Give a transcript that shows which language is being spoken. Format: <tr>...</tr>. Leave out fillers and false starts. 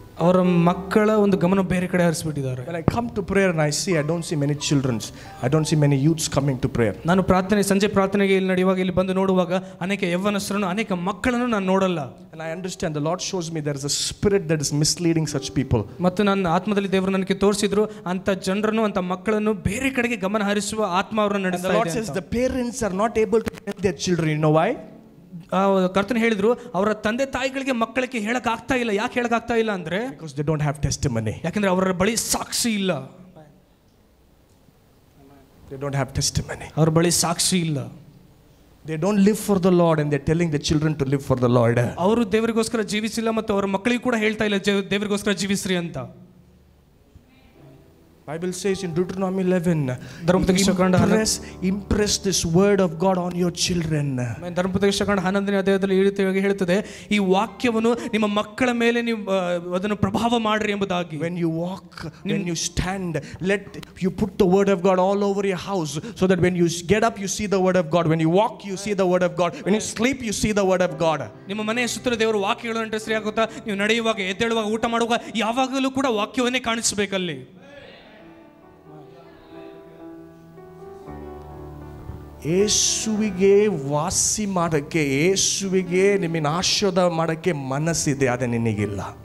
<kn>ಅವರ ಮಕ್ಕಳ ಒಂದು ಗಮನ ಬೇರೆ ಕಡೆ ಹರಿಸ್ಬಿಟ್ಟಿದ್ದಾರೆ.</kn> <en>When I come to prayer and I see, I don't see many children's. I don't see many youths coming to prayer.</en> <kn>ನಾನು ಪ್ರಾರ್ಥನೆ ಸಂಜೆ ಪ್ರಾರ್ಥನೆಗೆ ಇಲ್ಲಿ ನಡೆಯುವಾಗ ಇಲ್ಲಿ ಬಂದು ನೋಡುವಾಗ ಅನೇಕ ಯವ್ವನಸ್ರನ್ನು ಅನೇಕ ಮಕ್ಕಳನ್ನು ನಾನು ನೋಡಲ್ಲ.</kn> <en>And I understand the Lord shows me there is a spirit that is misleading such people.</en> <kn>ಮತ್ತು ನನ್ನ ಆತ್ಮದಲ್ಲಿ ದೇವರು ನನಗೆ ತೋರಿಸಿದ್ರು ಅಂತ ಜನರನ್ನು ಅಂತ ಮಕ್ಕಳನ್ನು ಬೇರೆ ಕಡೆಗೆ ಗಮನ ಹರಿಸುವ ಆತ್ಮ ಅವರನ್ನು ನಡೆಸುತ್ತಾ ಇದೆ.</kn> <en>The Lord says the parents are not able to tell their children, you know why?</en> <kn>ಕರ್ತನ ಹೇಳಿದ್ರು ಅವರ ತಂದೆ ತಾಯಿಗಳಿಗೆ ಮಕ್ಕಳಿಗೆ ಹೇಳಕ್ ಆಗ್ತಾ ಇಲ್ಲ. ಯಾಕೆ ಹೇಳಕ್ ಆಗ್ತಾ ಇಲ್ಲ ಅಂದ್ರೆ,</kn> <en>Because they don't have testimony.</en> <kn>ಯಾಕಂದ್ರೆ ಅವರ ಬಳಿ ಸಾಕ್ಷಿ ಇಲ್ಲ.</kn> <en>They don't have testimony.</en> <kn>ಅವರ ಬಳಿ ಸಾಕ್ಷಿ ಇಲ್ಲ.</kn> <en>They don't live for the Lord and they telling the children to live for the Lord.</en> <kn>ಅವರು ದೇವರಿಗೋಸ್ಕರ ಜೀವಿಸಿಲ್ಲ ಮತ್ತು ಅವರ ಮಕ್ಕಳಿಗೆ ಕೂಡ ಹೇಳ್ತಾ ಇಲ್ಲ ದೇವರಿಗೋಸ್ಕರ ಜೀವಿಸ್ರಿ ಅಂತ.</kn> <en>Bible says in Deuteronomy 11</en> <kn>Dharmapadeshakanda</kn> <en>impress this word of God on your children.</en> <kn>Dharmapadeshakanda 11ನೇ ಅಧ್ಯಾಯದಲ್ಲಿ ಹೇಳುತ್ತೆ, ಹೇಳುತ್ತದೆ ಈ ವಾಕ್ಯವನ್ನು ನಿಮ್ಮ ಮಕ್ಕಳ ಮೇಲೆ ನೀವು ಅದನ್ನು ಪ್ರಭಾವ ಮಾಡ್ರಿ ಎಂಬುದಾಗಿ.</kn> <en>When you walk, when you stand, let you put the word of God all over your house, so that when you get up you see the word of God, when you walk you see the word of God, when you sleep you see the word of God.</en> <kn>ನಿಮ್ಮ ಮನೆಯ ಸುತ್ತಲ ದೇವರ ವಾಕ್ಯಗಳನ್ನು ಅಂಟಿಸ್ರಿ ಆಗುತ್ತಾ. ನೀವು ನಡೆಯುವಾಗ, ಎದ್ದೇಳುವಾಗ, ಊಟ ಮಾಡುವಾಗ ಯಾವಾಗಲೂ ಕೂಡ ವಾಕ್ಯವನ್ನೇ ಕಾಣಿಸಬೇಕಲ್ಲಿ. ಯೇಸುವಿಗೆ ವಾಸಿ ಮಾಡಕ್ಕೆ, ಯೇಸುವಿಗೆ ನಿಮ್ಮನ್ನ ಆಶ್ರದ ಮಾಡಕ್ಕೆ ಮನಸ್ಸಿದೆ, ಆದರೆ ನಿನಗಿಲ್ಲ.</kn>